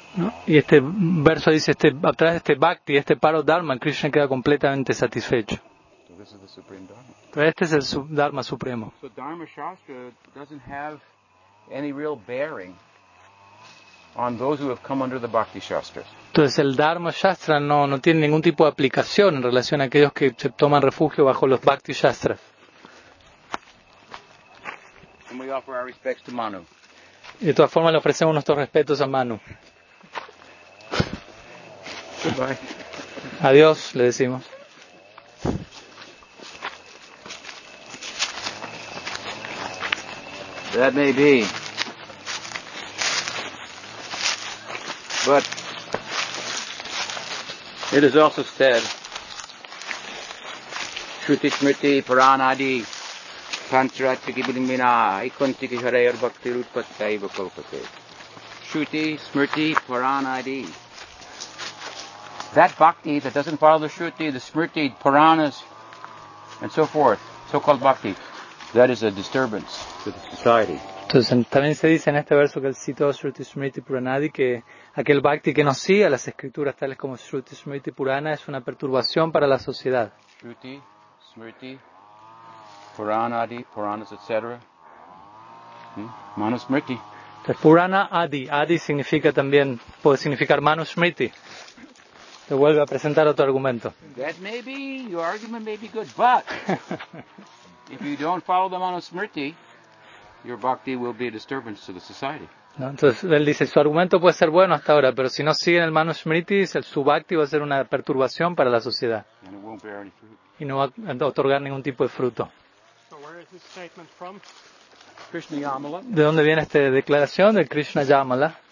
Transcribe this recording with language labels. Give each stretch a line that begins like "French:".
Spanish: ¿No? Y este verso dice, a través de este bhakti, este paro dharma, Krishna queda completamente satisfecho.
English: So this is the supreme dharma.
Spanish: Pero este es el dharma supremo.
English: So dharma shastra doesn't have any real bearing on those who have come under the bhakti shastra.
Spanish: Entonces el dharma shastra no tiene ningún tipo de aplicación en relación a aquellos que se toman refugio bajo los bhakti shastras.
English: And we offer our respects to Manu.
Spanish: Y de todas formas le ofrecemos nuestros respetos a Manu.
English: Goodbye.
Spanish: Adiós, le decimos.
English: That may be, but it is also said,
Sanskrit: Shruti Smriti Puranadi Tantra Tikibilimina Ikontiki Harayar Bhakti Rupatayiva Kalpate. Shruti Smriti Puranadi.
English: That bhakti that doesn't follow the Shruti, the Smriti, Puranas, and so forth, so-called bhakti, that is a disturbance to the society.
Spanish: Entonces, también se dice en este verso que el citó Shruti Smriti Puranadi que aquel bhakti que no sigue las escrituras tales como Shruti Smriti Purana es una perturbación para la sociedad.
Sanskrit: Shruti Smriti Puranadi Puranas etc. Manu Smriti.
Spanish: Entonces, Purana Adi. Adi significa también, puede significar Manu Smriti. Te vuelve a presentar otro argumento.
English: That may be, your argument may be good, but if you don't follow the Manu Smriti, your bhakti will be a disturbance to the society.
Spanish: No, entonces él dice, su argumento puede ser bueno hasta ahora, pero si no siguen el Manu Smriti, su bhakti va a ser una perturbación para la sociedad.
English: And it won't bear any fruit.
Spanish: Y no va a otorgar ningún tipo de fruto.
English: So where is this statement from? Krishna Yamala.
Spanish: ¿De dónde viene esta declaración de Krishna Yamala?